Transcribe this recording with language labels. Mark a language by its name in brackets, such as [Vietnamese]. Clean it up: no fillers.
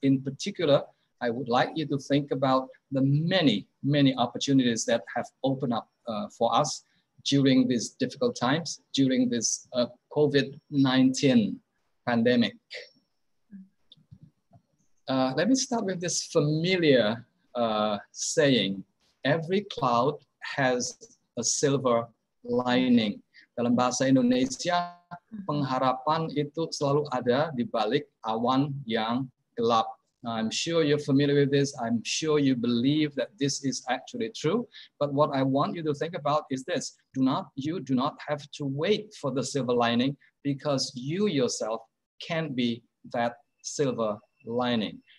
[English] In particular, I would like you to think about the many, many opportunities that have opened up for us during these difficult times, during this COVID-19 pandemic. Let me start with this familiar saying, every cloud has a silver lining. [Indonesian] Dalam bahasa Indonesia, pengharapan itu selalu ada di balik awan yang gelap. [English] Now, I'm sure you're familiar with this. I'm sure you believe that this is actually true. But what I want you to think about is this. You do not have to wait for the silver lining, because you yourself can be that silver lining.